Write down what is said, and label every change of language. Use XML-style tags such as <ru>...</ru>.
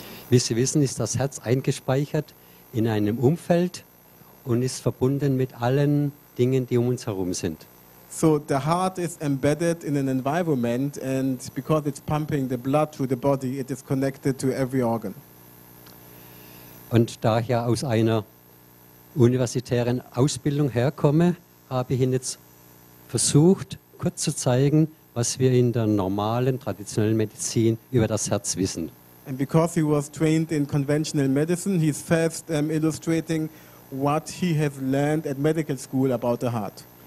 <de>Wie Sie wissen, ist das Herz eingespeichert in einem Umfeld und ist verbunden mit allen Dingen, die um uns herum sind.</de> <en>So the heart is embedded in an environment and because it's pumping the blood through the body, it is connected to every organ.</en> <de>Und da ich ja aus einer universitären Ausbildung herkomme, habe ich Ihnen jetzt versucht, kurz zu zeigen, was wir in der normalen, traditionellen Medizin über das Herz wissen.</de> <en>And because he was trained in conventional medicine, he's first illustrating what he has learned at medical school about the heart.</en>